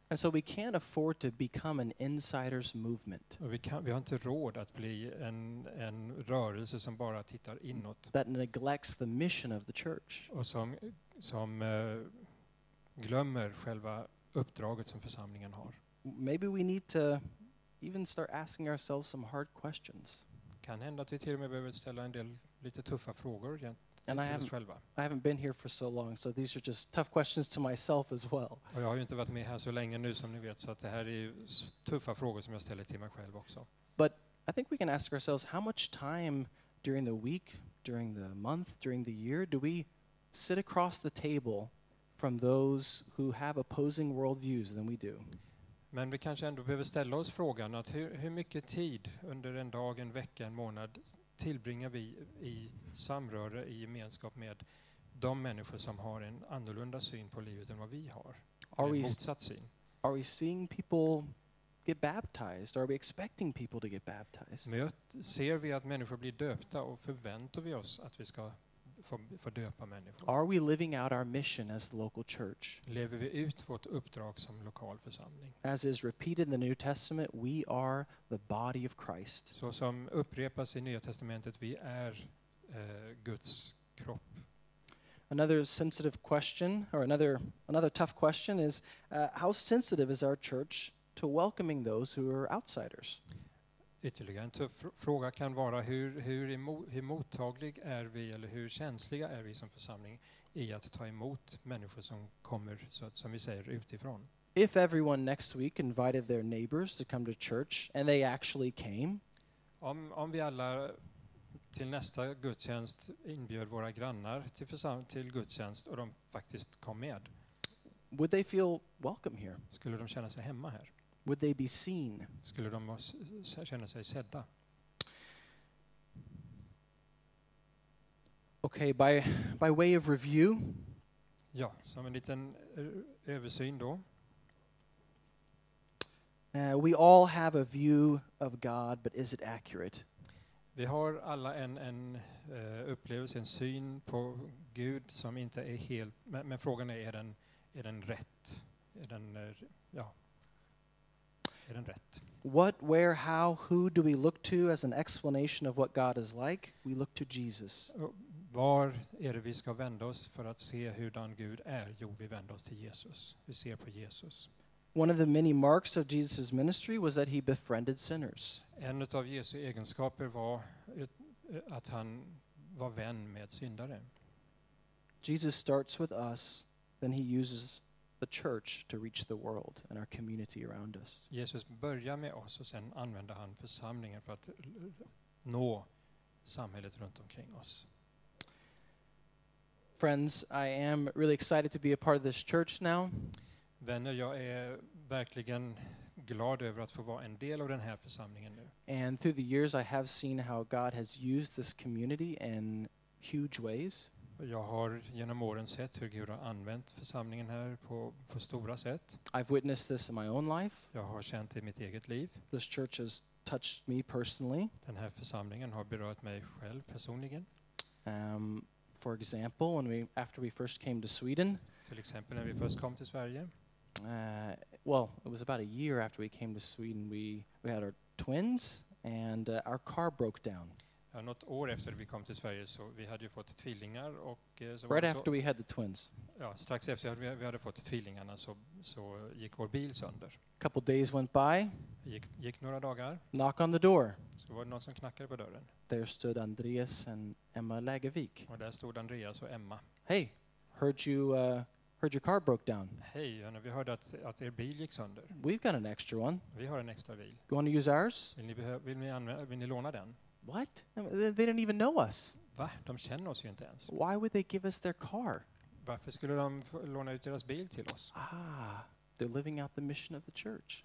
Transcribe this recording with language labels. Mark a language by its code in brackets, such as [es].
[en] And so we can't afford to become an insider's movement. [sv] Och vi har inte råd att bli en rörelse som bara tittar inåt. [en] That neglects the mission of the church. [sv] Och som glömmer själva uppdraget som församlingen har. [en] Maybe we need to even start asking ourselves some hard questions. [sv] Kan hända att vi till och med behöver ställa en del lite tuffa frågor till oss själva. [en] I haven't been here for so long, so these are just tough questions to myself as well. [sv] Och jag har ju inte varit med här så länge nu, som ni vet, så att det här är tuffa frågor som jag ställer till mig själv också. [en] But I think we can ask ourselves, how much time during the week, during the month, during the year do we sit across the table from those who have opposing worldviews than we do? [sv] Men vi kanske ändå behöver ställa oss frågan att hur mycket tid under en dag, en vecka, en månad tillbringar vi i samröre, i gemenskap med de människor som har en annorlunda syn på livet än vad vi har? En motsatt syn. [en] Are we seeing people get baptized? Are we expecting people to get baptized? [sv] Ser vi att människor blir döpta, och förväntar vi oss att vi ska få döpa människor? [en] Are we living out our mission as the local church? [sv] Lever vi ut vårt uppdrag som lokal församling? [en] As is repeated in the New Testament, we are the body of Christ. [sv] Så som upprepas i Nya Testamentet, vi är Guds kropp. [en] Another sensitive question, or another tough question, is how sensitive is our church to welcoming those who are outsiders? [sv] Ytterligare en tuff fråga kan vara hur mottaglig är vi, eller hur känsliga är vi som församling i att ta emot människor som kommer, så att, som vi säger, utifrån. [en] If everyone next week invited their neighbors to come to church and they actually came. [sv] Om vi alla till nästa gudstjänst inbjöd våra grannar till gudstjänst och de faktiskt kom med. [en] Would they feel welcome here? [sv] Skulle de känna sig hemma här? [en] Would they be seen? [sv] Skulle de känna sig sedda? [en] Okay, by way of review. [sv] Ja, som en liten översyn då. [en] We all have a view of God, but is it accurate? [sv] Vi har alla en upplevelse, en syn på Gud som inte är helt, men frågan är den rätt? Är den, ja. Är den rätt? [en] What, where, how, who do we look to as an explanation of what God is like? We look to Jesus. [sv] Var är det vi ska vända oss för att se hur den Gud är? Jo, vi vänder oss till Jesus. Vi ser på Jesus. [en] One of the many marks of Jesus' ministry was that he befriended sinners. [sv] En av Jesu egenskaper var att han var vän med syndare. [en] Jesus starts with us, then he uses the church to reach the world and our community around us. [sv] Jesus börjar med oss och sen använder han församlingen för att nå samhället runt omkring oss. [en] Friends, I am really excited to be a part of this church now. [sv] Vänner, jag är verkligen glad över att få vara en del av den här församlingen nu. [en] And through the years I have seen how God has used this community in huge ways. [sv] Jag har genom åren sett hur Gud har använt församlingen här på stora sätt. [en] I've witnessed this in my own life. [sv] Jag har känt det i mitt eget liv. [en] This church has touched me personally. [sv] Den här församlingen har berört mig själv personligen. [en] For example, when we after we first came to Sweden. [sv] Till exempel när vi först kom till Sverige. [en] Well, it was about a year after we came to Sweden. We had our twins and our car broke down. [sv] Något år efter vi kom till Sverige så vi hade ju fått tvillingar och så [en] right after we had the twins. [sv] Ja, strax efter vi hade fått tvillingarna så gick vår bil sönder. [en] Couple days went by. [sv] Gick några dagar. [en] Knock on the door. [sv] Så var det någon som knackade på dörren. [en] There stood Andreas and Emma Lagervik. [sv] Och där stod Andreas och Emma. [en] Hey, heard your car broke down. [sv] Hey, vi hörde att er bil gick sönder. [en] We've got an extra one. [sv] Vi har en extra bil. [en] You want to use ours? [sv] Vill ni låna den? [en] What? They didn't even know us. [sv] Va? De känner oss ju inte ens. [en] Why would they give us their car? [sv] Varför skulle de låna ut deras bil till oss? [en] Ah, they're living out the mission of the church.